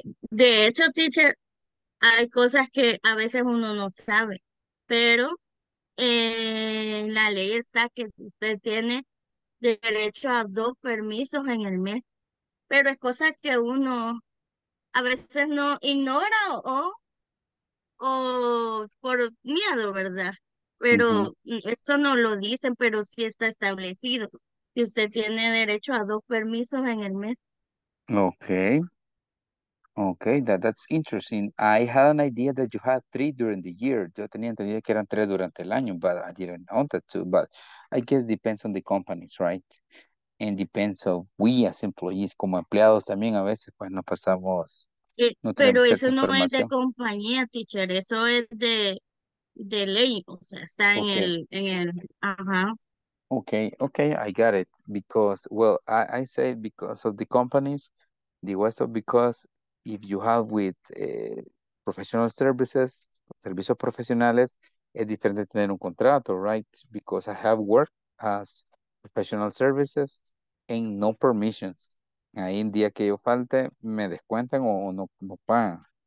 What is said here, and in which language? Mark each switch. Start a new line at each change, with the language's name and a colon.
Spanish: De hecho, teacher, hay cosas que a veces uno no sabe, pero la ley está que usted tiene derecho a 2 permisos en el mes, pero es cosa que uno a veces no ignora o por miedo, ¿verdad? Pero uh-huh. Eso no lo dicen, pero sí está establecido. Y usted tiene derecho a 2 permisos en el mes.
English: Okay. Okay, that's interesting. I had an idea that you had three during the year. Yo tenía entendido que eran tres durante el año, but I didn't know that too. But I guess it depends on the companies, right?
Spanish: And depends of we as employees, como empleados también a veces, pues no pasamos. No pero eso no es de compañía, teacher. Eso es de ley. O sea, está okay. en el.
English: Okay, I got it. Because, well, I say because of the companies, the also because if you have with professional services, servicios profesionales, es diferente tener un contrato, right? Because I have worked as professional services and no permissions.
Spanish: Ahí en día que yo falte, me descuentan o no pagan.